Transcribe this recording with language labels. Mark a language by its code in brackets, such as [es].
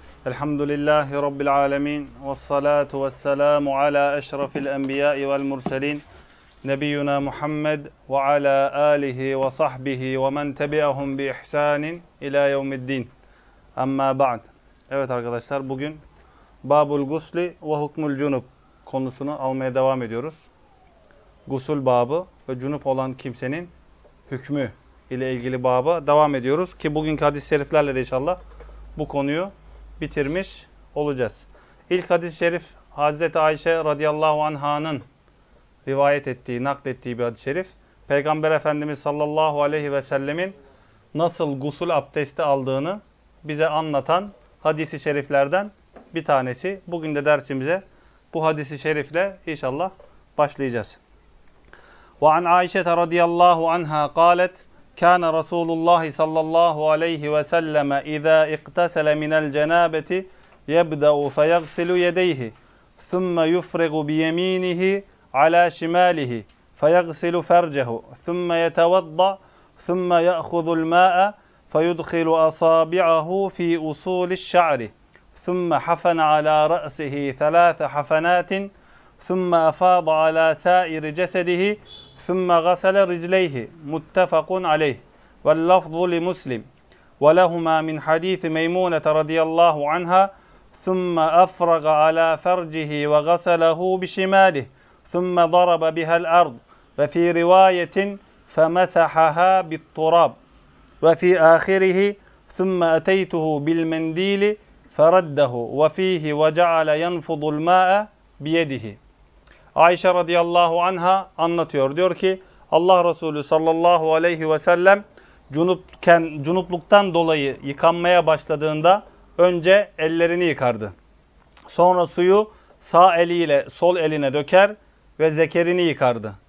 [ar] الحمد لله رب العالمين والصلاة والسلام على أشرف الأنبياء والمرسلين نبينا محمد وعلى آله وصحبه ومن تبعهم بإحسان إلى يوم الدين أما بعد. [tr] Evet arkadaşlar, bugün Babul Gusli ve Hukmul Cunub konusunu almaya devam ediyoruz. Gusul babı ve cunup olan kimsenin hükmü ile ilgili baba devam ediyoruz ki bugünkü hadis-i şeriflerle de inşallah bu konuyu bitirmiş olacağız. İlk hadis-i şerif Hazreti Ayşe radıyallahu anh'ın rivayet ettiği, naklettiği bir hadis-i şerif. Peygamber Efendimiz sallallahu aleyhi ve sellemin nasıl gusül abdesti aldığını bize anlatan hadis-i şeriflerden bir tanesi. Bugün de dersimize bu hadis-i şerifle inşallah başlayacağız. [ar] Ve an Ayşe radıyallahu anh'a kâlet كان رسول الله صلى الله عليه وسلم إذا اغتسل من الجنابة يبدأ فيغسل يديه ثم يفرغ بيمينه على شماله فيغسل فرجه ثم يتوضأ ثم يأخذ الماء فيدخل أصابعه في أصول الشعر ثم حفن على رأسه ثلاث حفنات ثم أفاض على سائر جسده ثم غسل رجليه متفق عليه واللفظ لمسلم ولهما من حديث ميمونة رضي الله عنها ثم أفرغ على فرجه وغسله بشماله ثم ضرب بها الأرض وفي رواية فمسحها بالتراب وفي آخره ثم أتيته بالمنديل فرده وفيه وجعل ينفض الماء بيده. [tr] Ayşe radıyallahu anha anlatıyor. Diyor ki Allah Resulü sallallahu aleyhi ve sellem cunupluktan dolayı yıkanmaya başladığında önce ellerini yıkardı. Sonra suyu sağ eliyle sol eline döker ve zekerini yıkardı.